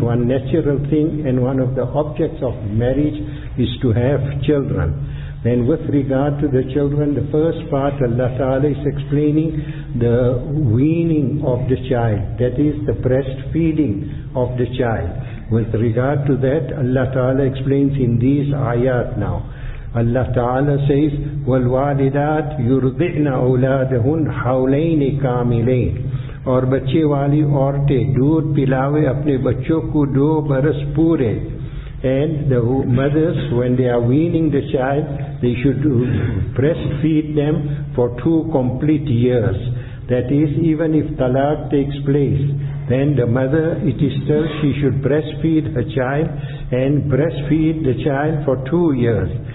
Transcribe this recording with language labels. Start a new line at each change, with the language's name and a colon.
English: One natural thing and one of the objects of marriage is to have children. Then with regard to the children, the first part Allah Ta'ala is explaining the weaning of the child, that is the breastfeeding of the child. With regard to that, Allah Ta'ala explains in these ayat now. Allah Ta'ala says,
Arabic: وَالْوَالِدَاتْ يُرْضِعْنَ أَوْلَادَهُنْ حَوْلَيْنِ كَامِلَيْنِ.
Urdu: اور بچے والی عورتیں دودھ پلاوے اپنے بچوں کو دو برس پورے.
English: And the mothers, when they are weaning the child, they should breastfeed them for 2 complete years. That is, even if talaq takes place, then the mother, it is still, she should breastfeed her child and breastfeed the child for 2 years.